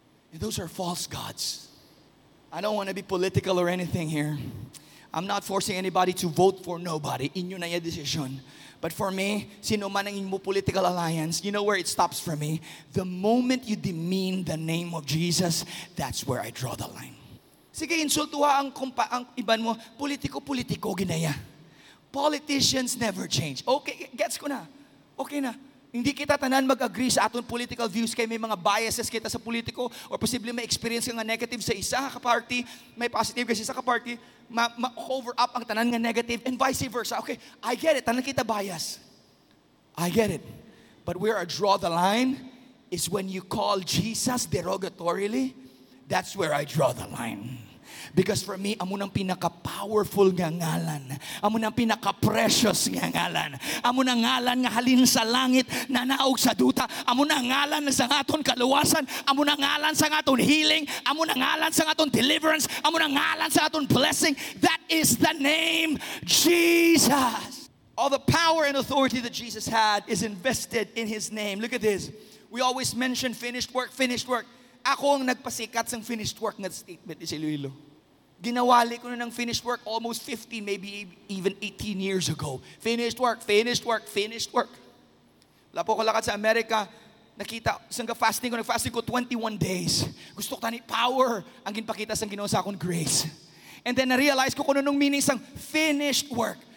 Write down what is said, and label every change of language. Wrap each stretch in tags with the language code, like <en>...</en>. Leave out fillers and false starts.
<en>And those are false gods. I don't want to be political or anything here. I'm not forcing anybody to vote for nobody. Inyo na yung decision. But for me, sino man ang inyong political alliance, you know where it stops for me? The moment you demean the name of Jesus, that's where I draw the line.</en> <hil>Sige, insultuha ang iban mo. Politiko-politiko, ginaya.</hil> <en>Politicians never change.</en> <hil>Okay, gets ko na. Okay na. Hindi kita tanan mag-agree sa aton political views kay may mga biases kita sa politiko or possibly may experience ka nga negative sa isa ka-party, may positive kasi sa ka-party, ma-cover up ang tanan nga negative and vice versa. Okay, I get it. Tanan kita bias. I get it.</hil> <en>But where I draw the line is when you call Jesus derogatorily, that's where I draw the line.</en> <hil>Because for me, amo nang pinaka-powerful nga ngalan. Amo nang pinaka-precious nga ngalan. Amo nang ngalan nga halin sa langit, nanaog sa duta. Amo nang ngalan sa aton kaluwasan. Amo nang ngalan sa aton healing. Amo nang ngalan sa aton deliverance. Amo nang ngalan sa aton blessing.</hil> <en>That is the name Jesus. All the power and authority that Jesus had is invested in His name. Look at this. We always mention finished work, finished work.</en> <hil>Ako ang nagpasikat sa finished work na statement ni Siluilo. Ginawali ko na ng finished work almost 15, maybe even 18 years ago.</hil> <en>Finished work, finished work, finished work.</en> <hil>Wala po ko lakad sa Amerika, nakita, sang ka-fasting ko, nag-fasting ko 21 days. Gusto ko tani power ang ginpakita sa Ginoo sa akong grace. And then na-realize ko kung anong meaning sang finished work.</hil>